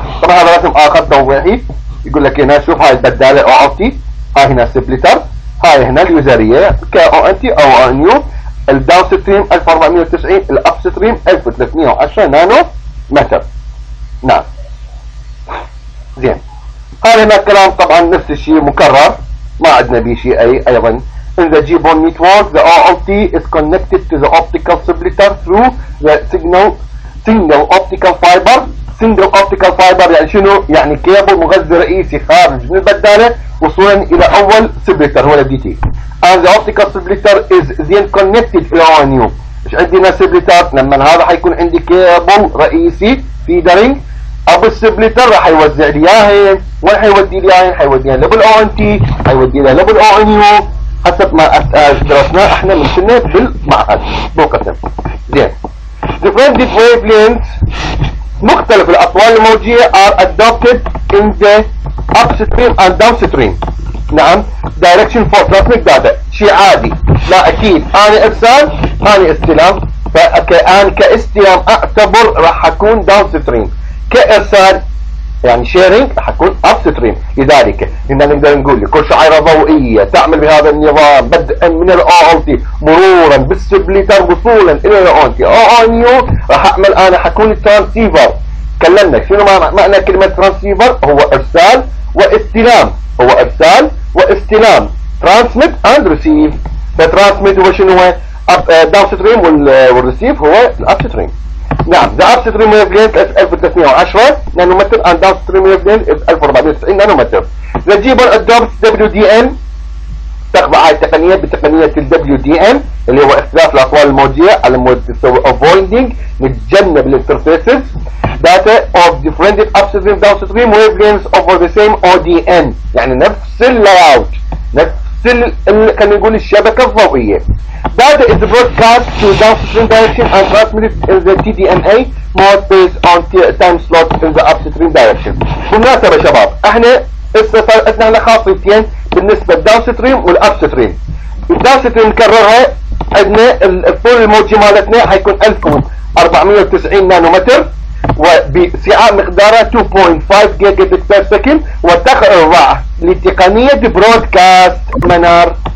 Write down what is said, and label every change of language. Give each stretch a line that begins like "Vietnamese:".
Arabic: طبعا هذا رسم آخر توضيحي يقول لك هنا شوف هاي البدالة أو أوتي، هاي هنا سبليتر، هاي هنا اليوزرية كـ ONT أو ONU. الداون ستريم 1490 الأب ستريم 1310 نانو متر. نعم زين هذا هنا الكلام طبعا نفس الشيء مكرر ما عندنا به شيء أي أيضا.
English: In the GPON network, the OLT is connected to the optical splitter through the single optical fiber.
Arabic: يعني شنو؟ يعني كابل مغذي رئيسي خارج من البدالة وصولا إلى أول splitter هو DT.
English: And the optical splitter is then connected to the ONU.
Arabic: إيش عندنا splitter؟ لما هذا حيكون عندي كابل رئيسي feedering أبو السبليتر راح يوزع لياهين، وين حيودي لياهين؟ حيودي لها لبل ONT، حيودي لها لبل ONU. حسب ما درسنا احنا من سنة بالمعهد بوقتنا.
English: زين Differentiated wavelengths
Arabic: مختلف الاطوال الموجية
English: are adopted in the upstream and downstream. نعم direction for traffic data
Arabic: شيء عادي. لا أكيد أنا إرسال أنا استلام، فكأن كاستلام أعتبر راح أكون downstream، كإرسال يعني sharing راح أكون upstream. لذلك هنا نقدر نقول كل شعيرة ضوئية تعمل بهذا النظام بدءا من الأولتي مرورا بالسبليتر وصولا إلى الأولتي أو راح أعمل أنا حكون transceiver. تكلمنا شنو معنى كلمة transceiver؟ هو إرسال واستلام، هو إرسال واستلام
English: transmit and receive.
Arabic: فtransmit هو شنو؟ downstream والreceive هو upstream.
English: نعم the upstream wavelength 1310 nanometre and downstream wavelength 1490 nanometre. the jibber adopts WDM
Arabic: تقبع هاي التقنية بتقنية ال WDM اللي هو اختلاف الأطوال الموجية على مود تسوي avoiding نتجنب الانترفيسز
English: data of different upstream downstream wavelengths over the same ODN
Arabic: يعني نفس layout نفس كان نقول الشبكة الضوئية.
English: data is broadcast to downstream direction and transmitted in the TDMA mode based on time slot in the upstream direction.
Arabic: بمناسبة شباب احنا استفدنا على خاصيتين بالنسبة للداونستريم والأبستريم. الداونستريم نكررها عندنا الطول الموجي مالتنا حيكون 1490 نانومتر وبسعة مقدارها 2.5 جيجا بت بير سكند وتخضع لتقنية برودكاست منار.